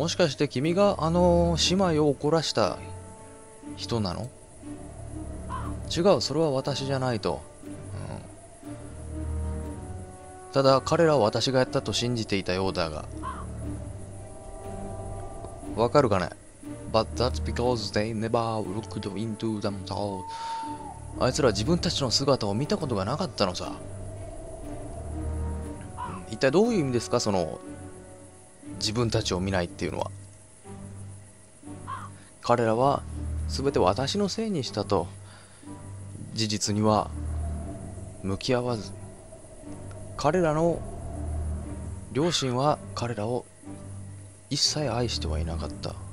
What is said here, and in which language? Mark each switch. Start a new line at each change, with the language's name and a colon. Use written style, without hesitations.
Japanese: もしかして君があの姉妹を怒らした人なの？違う、それは私じゃないと、うん、ただ彼らは私がやったと信じていたようだが、わかるかね。
English: But that's because they never looked into themselves。
Japanese: あいつら自分たちの姿を見たことがなかったのさ。一体どういう意味ですか、その自分たちを見ないっていうのは。彼らは全て私のせいにしたと。事実には向き合わず、彼らの両親は彼らを一切愛してはいなかった。